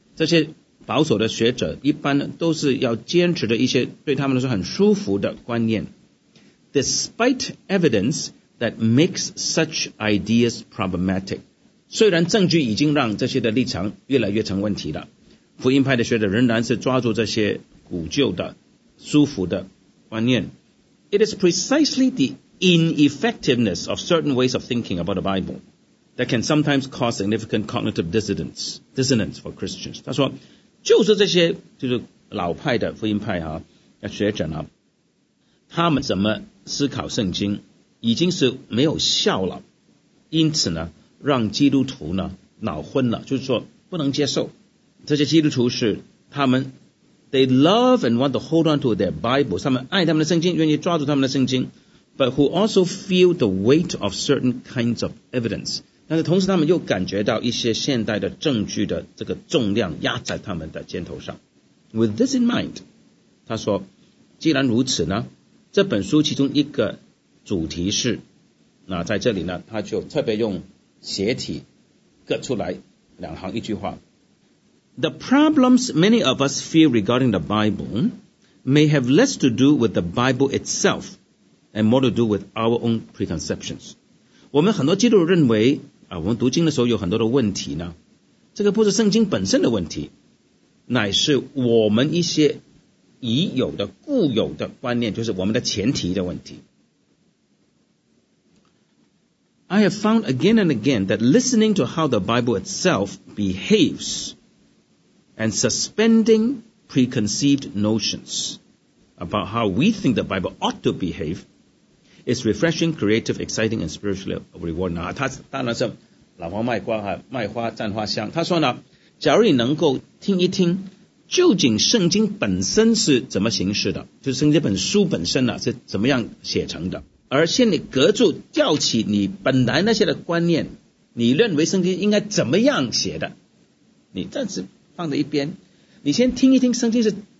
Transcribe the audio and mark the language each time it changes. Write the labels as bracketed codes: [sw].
[zh] 这些保守的学者一般都是要坚持的一些对他们来说很舒服的观念。 [en] Despite evidence that makes such ideas problematic. [zh] 虽然证据已经让这些的立场越来越成问题了，福音派的学者仍然是抓住这些古旧的舒服的观念。 [en] It is precisely the ineffectiveness of certain ways of thinking about the Bible that can sometimes cause significant cognitive dissonance for Christians. [zh] 他说，就是这些就是老派的福音派啊，学者啊，他们怎么思考圣经，已经是没有效了，因此呢，让基督徒呢脑昏了，就是说不能接受。这些基督徒是他们。 [en] They love and want to hold on to their Bibles. [zh] 他们爱他们的圣经，愿意抓住他们的圣经。 [en] But who also feel the weight of certain kinds of evidence. [zh] 但是同时他们又感觉到一些现代的证据的这个重量压在他们的肩头上。 [en] With this in mind, [zh] 他说，既然如此呢，这本书其中一个主题是，那在这里呢，他就特别用斜体割出来两行一句话。 [en] The problems many of us feel regarding the Bible may have less to do with the Bible itself and more to do with our own preconceptions. [zh] 我们很多基督徒认为啊，我们读经的时候有很多的问题呢，这个不是圣经本身的问题，乃是我们一些已有的固有的观念，就是我们的前提的问题。 [en] I have found again and again that listening to how the Bible itself behavesand suspending preconceived notions about how we think the Bible ought to behave is refreshing, creative, exciting, and spiritually rewarding. [zh] 他当然是老黄卖瓜哈，卖花赞花香。他说呢，假如你能够听一听，究竟圣经本身是怎么形式的，就是圣经本书本身呢是怎么样写成的，而先你隔住吊起你本来那些的观念，你认为圣经应该怎么样写的，你暂时放在一边，你先听一听圣经是